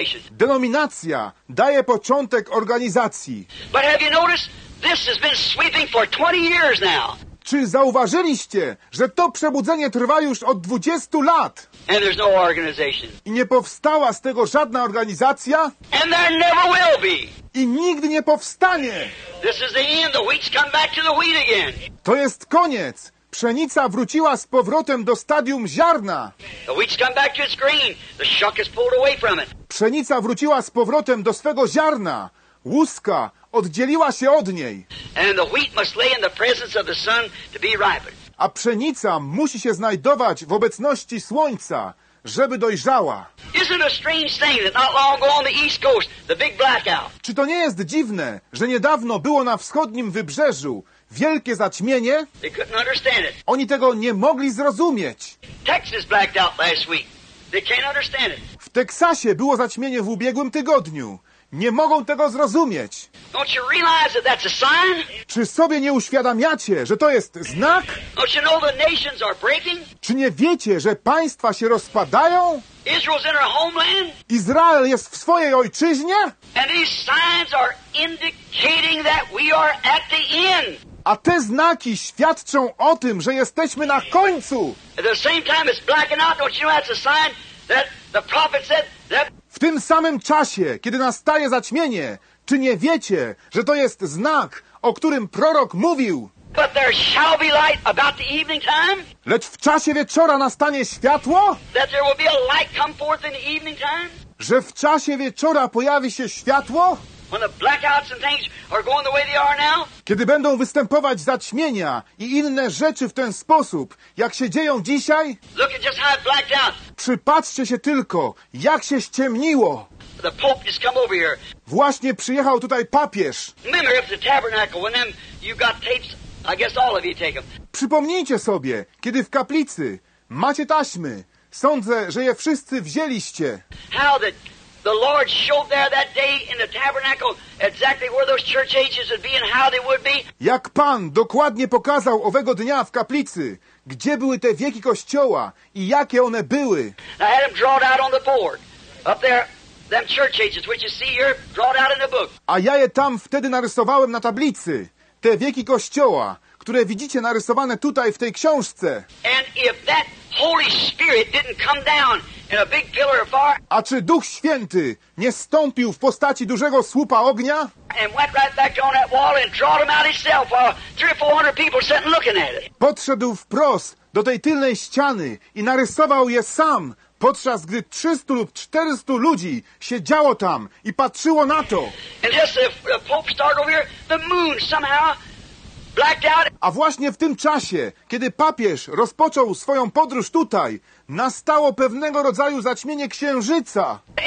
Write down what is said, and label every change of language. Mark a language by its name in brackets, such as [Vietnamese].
[Polish] Denominacja daje początek organizacji. [English] But have you noticed this has been sweeping for 20 years now? [Polish] Czy zauważyliście, że to przebudzenie trwa już od 20 lat? [English] And there's no organization. [Polish] I nie powstała z tego żadna organizacja? [English] And there never will be. [Polish] I nigdy nie powstanie. [English] This is the end. The wheat's come back to the wheat again. [Polish] To jest koniec. Pszenica wróciła z powrotem do stadium ziarna. [English] The wheat's come back to its grain. The shuck is pulled away from it. [Polish] Pszenica wróciła z powrotem do swego ziarna. Łuska oddzieliła się od niej. [English] And the wheat must lay in the presence of the sun to be ripened. [Polish] A pszenica musi się znajdować w obecności słońca, żeby dojrzała. [English] Isn't it a strange thing that not long ago on the east coast, the big blackout? [Polish] Czy to nie jest dziwne, że niedawno było na wschodnim wybrzeżu wielkie zaćmienie? [English] They couldn't understand it. [Polish] Oni tego nie mogli zrozumieć. [English] Texas blacked out last week. They can't understand it. [Polish] W Teksasie było zaćmienie w ubiegłym tygodniu. Nie mogą tego zrozumieć. [English] Don't you realize that that's a sign? [Polish] Czy sobie nie uświadamiacie, że to jest znak? [English] Don't you know the nations are breaking? [Polish] Czy nie wiecie, że państwa się rozpadają? [English] Israel's in her homeland? [Polish] Izrael jest w swojej ojczyźnie? [English] And these signs are indicating that we are at the end. [Polish] A te znaki świadczą o tym, że jesteśmy na końcu. [English] At the same time it's blacking out, don't you know that's a sign that the prophet said that... [Polish] W tym samym czasie, kiedy nastaje zaćmienie, czy nie wiecie, że to jest znak, o którym prorok mówił? [English] But there shall be light about the evening time? [Polish] Lecz w czasie wieczora nastanie światło? [English] That there will be a light come forth in the evening time? [Polish] Że w czasie wieczora pojawi się światło? [English] When the blackouts and things are going the way they are now? [Polish] Kiedy będą występować zaćmienia i inne rzeczy w ten sposób, jak się dzieją dzisiaj? [English] Look at just how it blacked out. [Polish] Przypatrzcie się tylko, jak się ściemniło. [English] The Pope just come over here. [Polish] Właśnie przyjechał tutaj papież. [English] Remember if the tabernacle, when them you got tapes, I guess all of you take them. [Polish] Przypomnijcie sobie, kiedy w kaplicy macie taśmy. Sądzę, że je wszyscy wzięliście. [English] How the... The Lord showed there that day in the tabernacle exactly where those church ages would be and how they would be. [Polish] Jak Pan dokładnie pokazał owego dnia w kaplicy, gdzie były te wieki kościoła i jakie one były. [English] I had them drawn out on the board up there, them church ages which you see here drawn out in the book. [Polish] A ja je tam wtedy narysowałem na tablicy, te wieki kościoła, które widzicie narysowane tutaj w tej książce. [English] And if that Holy Spirit didn't come down in a big pillar of fire. [Polish] A czy Duch Święty nie stąpił w postaci dużego słupa ognia? [English] And went right back on that wall and drawed him out himself while 300 or 400 people sitting looking at it. [Polish] Podszedł wprost do tej tylnej ściany i narysował je sam, podczas gdy 300 or 400 ludzi siedziało tam i patrzyło na to. [English] And just if the Pope started over here, the moon somehow. [Polish] A właśnie w tym czasie, kiedy papież rozpoczął swoją podróż tutaj, nastało pewnego rodzaju zaćmienie księżyca.